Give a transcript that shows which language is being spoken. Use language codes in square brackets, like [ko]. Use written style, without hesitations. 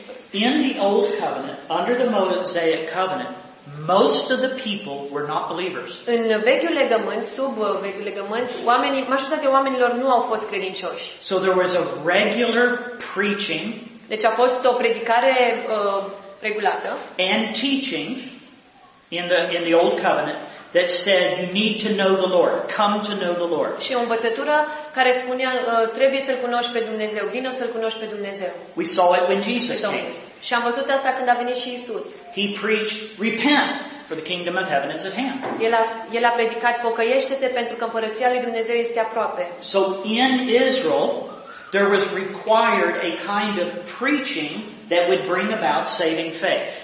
[en] In the old covenant, under the Mosaic covenant, most of the people were not believers. [ro] În vechiul legământ, sub vechiul legământ, majoritatea oamenilor nu au fost credincioși. [en] So there was a regular preaching. [ro] Deci a fost o predicare regulată. [en] And teaching in the old covenant that said you need to know the Lord. Come to know the Lord. [ro] Și o învățătură care spunea trebuie să-l cunoști pe Dumnezeu. Vino să-l cunoști pe Dumnezeu. [en] We saw it when Jesus came. [ro] Și am văzut asta când a venit și Isus. [en] He preached, repent, for the kingdom of heaven is at hand. [ro] El a predicat, pocăiește-te pentru că împărăția lui Dumnezeu este aproape. [en] So in Israel, there was required a kind of preaching that would bring about saving faith.